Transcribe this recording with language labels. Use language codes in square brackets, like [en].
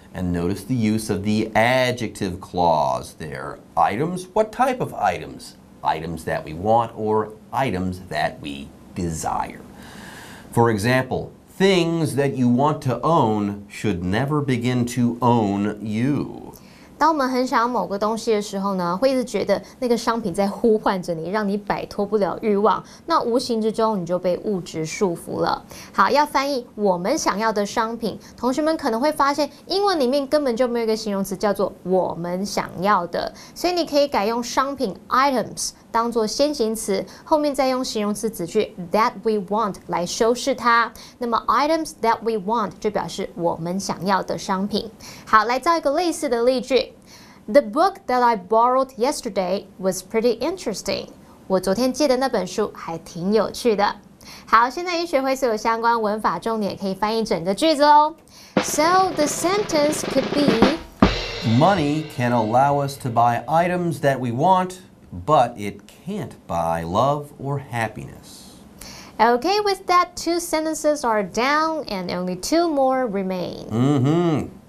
[en] And notice the use of the adjective clause there. Items, what type of items? Items that we want or items that we desire. For example, things that you want to own should never begin to own you. [zh] 当我们很想要某个东西的时候呢，会一直觉得那个商品在呼唤着你，让你摆脱不了欲望，那无形之中你就被物质束缚了。好，要翻译我们想要的商品，同学们可能会发现英文里面根本就没有一个形容词叫做我们想要的，所以你可以改用商品 items 当作先行词，后面再用形容词子句 [en] that we want [zh] 来修饰它。那么 [en] items that we want [zh] 就表示我们想要的商品。好，来造一个类似的例句。 [en] The book that I borrowed yesterday was pretty interesting. [zh] 我昨天借的那本书还挺有趣的。好，现在已经学会所有相关文法重点，可以翻译整个句子哦。 [en] So the sentence could be, Money can allow us to buy items that we want, but it can't buy love or happiness. Okay, with that, two sentences are down and only two more remain. Mm-hmm.